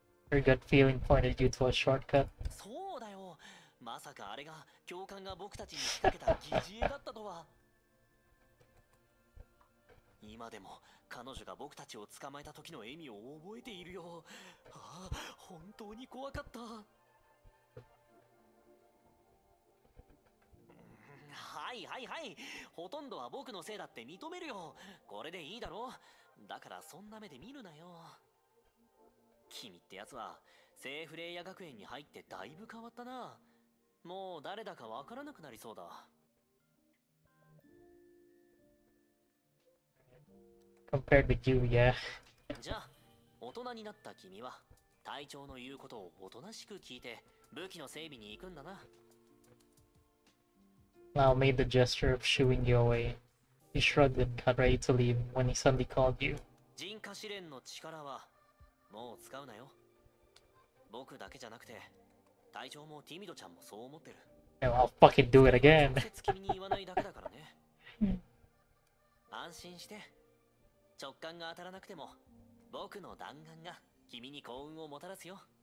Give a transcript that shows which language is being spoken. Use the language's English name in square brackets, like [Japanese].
[English] Her gut feeling pointed you to a shortcut. [Japanese] そうだよ。まさかあれが教官が僕たちに仕掛けた疑似餌だったとは。今でも彼女が僕たちを捕まえた時の笑みを覚えているよ。ああ、本当に怖かった。はいはいはい。ほとんどは僕のせいだって認めるよ。これでいいだろう。だからそんな目で見るなよ。君ってやつはセーフレイヤ学園に入ってだいぶ変わったな。もう誰だかわからなくなりそうだ。 [English] Compared with you, yeah. [Japanese] じゃあ大人になった君は隊長の言うことをおとなしく聞いて武器の整備に行くんだな。 [English] Now made the gesture of shooing you away. He shrugged and got ready to leave when he suddenly called you. [Japanese] 人化試練の力はもう使うなよ。僕だけじゃなくて隊長もティミドちゃんもそう思ってる。 [English] I'll fucking do it again. [Japanese] 直接君に言わないだけだからね。安心して。直感が当たらなくても僕の弾丸が君に幸運をもたらすよ。